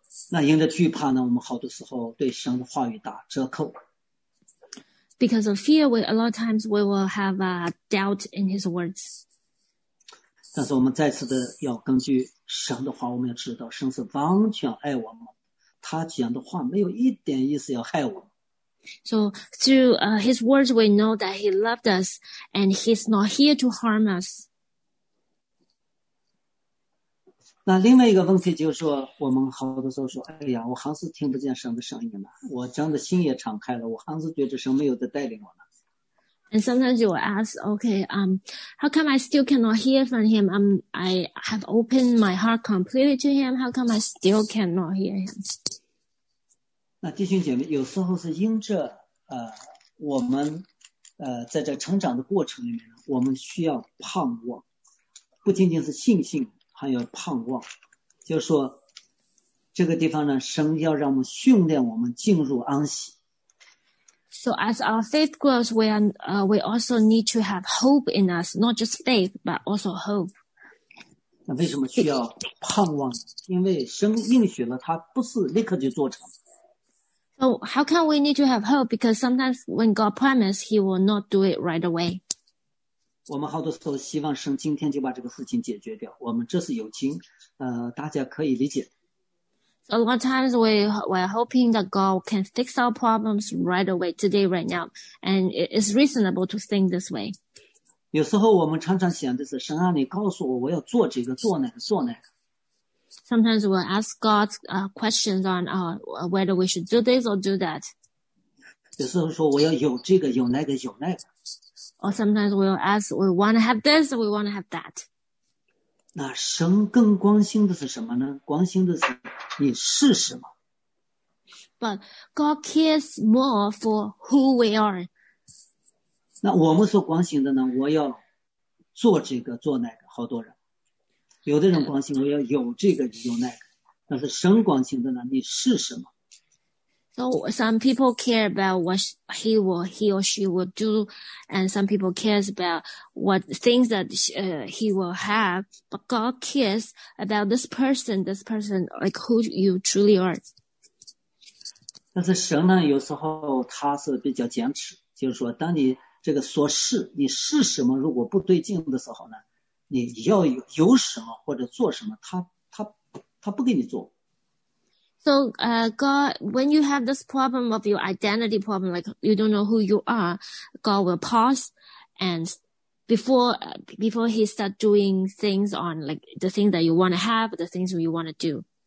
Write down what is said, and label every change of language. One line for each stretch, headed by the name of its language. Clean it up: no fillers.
Chinese: 那因着惧怕呢，我们好多时候对神的话语打折扣。
English: Because of fear, a lot of times we will have a doubt in his words.
Chinese: 但是我们再次的要根据神的话，我们要知道神是完全爱我们，他讲的话没有一点意思要害我。
English: So through his words, we know that he loved us, and he's not here to harm us.
Chinese: 那另外一个问题就是说，我们好多时候说，哎呀，我还是听不见神的声音了，我真的心也敞开了，我还是觉得神没有在带领我呢。
English: And sometimes you will ask, okay, how come I still cannot hear from him? I have opened my heart completely to him. How come I still cannot hear him?
Chinese: 那弟兄姐妹，有时候是因着我们在这成长的过程里面，我们需要盼望，不仅仅是信心。还有盼望，就是说这个地方呢，神要让我们训练我们进入安息。
English: So as our faith grows, we also need to have hope in us, not just faith, but also hope.
Chinese: 那为什么需要盼望？因为神应许了，他不是立刻就做成。
English: So how can we need to have hope? Because sometimes when God promises, he will not do it right away.
Chinese: 我们好多时候希望神今天就把这个事情解决掉，我们这是友情，大家可以理解。
English: So a lot of times we are hoping that God can fix our problems right away, today, right now, and it's reasonable to think this way.
Chinese: 有时候我们常常想的是，神啊，你告诉我，我要做这个，做那个，做那个。
English: Sometimes we ask God questions on whether we should do this or do that.
Chinese: 有时候说我要有这个，有那个，有那个。
English: Or sometimes we'll ask, we want to have this, we want to have that.
Chinese: 那神更关心的是什么呢？关心的是你是什么。
English: But God cares more for who we are.
Chinese: 那我们所关心的呢？我要做这个，做那个，好多人。有的人关心我要有这个，有那个。但是神关心的呢？你是什么？
English: So some people care about what he or she will do, and some people cares about what things that he will have. But God cares about this person, like who you truly are.
Chinese: 但是神呢，有时候他是比较坚持，就是说，当你这个所是你是什么，如果不对劲的时候呢，你要有什么或者做什么，他不给你做。
English: So, God, when you have this problem of your identity problem, like you don't know who you are, God will pause and before he start doing things on like the thing that you want to have, the things you want to do.